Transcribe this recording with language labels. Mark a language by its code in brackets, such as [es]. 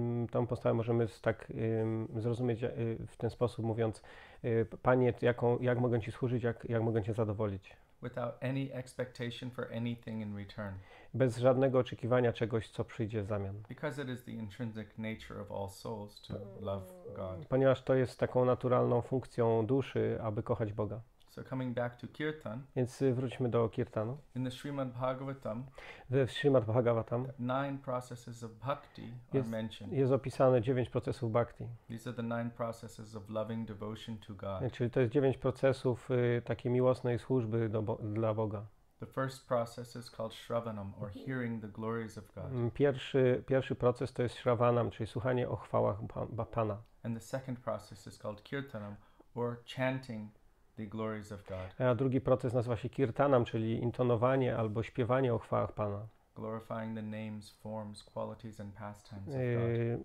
[pl] Tą postawę możemy zrozumieć w ten sposób, mówiąc: Panie, jak mogę Ci służyć, jak mogę Cię zadowolić? [en] Without any expectation for anything in return. [pl] Bez żadnego oczekiwania czegoś, co przyjdzie w zamian. [en] Because it is the intrinsic nature of all souls to love God. [pl] Ponieważ to jest taką naturalną funkcją duszy, aby kochać Boga. [en] So coming back to kirtan, [pl] Więc wróćmy do kirtanu. [en] in the Srimad Bhagavatam, [pl] We Srimad Bhagavatam [en] nine processes of bhakti are mentioned. [pl] jest opisane 9 procesów bhakti. [en] These are the nine processes of loving devotion to God. [pl] Czyli to jest 9 procesów takiej miłosnej służby dla Boga. [en] The first process is called shravanam, or hearing the glories of God. [pl] Pierwszy proces to jest śravanam, czyli słuchanie o chwałach Pana. [en] And the second process is called kirtanam, or chanting the glories of God. [pl] A drugi proces nazywa się kirtanam, czyli intonowanie albo śpiewanie o chwałach Pana. [en] Glorifying the names, forms, qualities and pastimes of God.